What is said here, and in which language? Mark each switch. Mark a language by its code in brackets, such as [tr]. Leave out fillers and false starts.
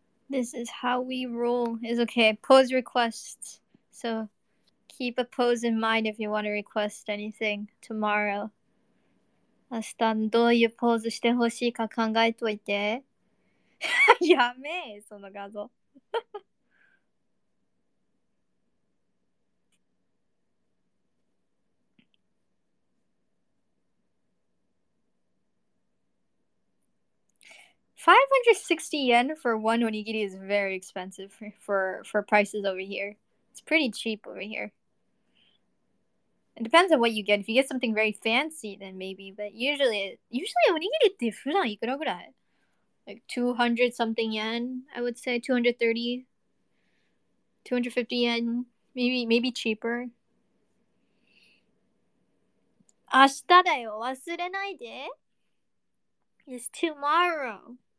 [en] This is how we roll. It's okay. Pose requests. So... Keep a pose in mind if you want to request anything tomorrow. [ja] 明日どういうポーズしてほしいか考えといて。やめえ、その画像。 [en] 560 yen for one onigiri is very expensive for prices over here. It's pretty cheap over here. It depends on what you get. If you get something very fancy, then maybe. But usually [ja] onigiri って普段いくらぐらい? [en] Like 200 something yen, I would say. 230. 250 yen. Maybe cheaper. [ja] 明日だよ。忘れないで。 [en] It's tomorrow.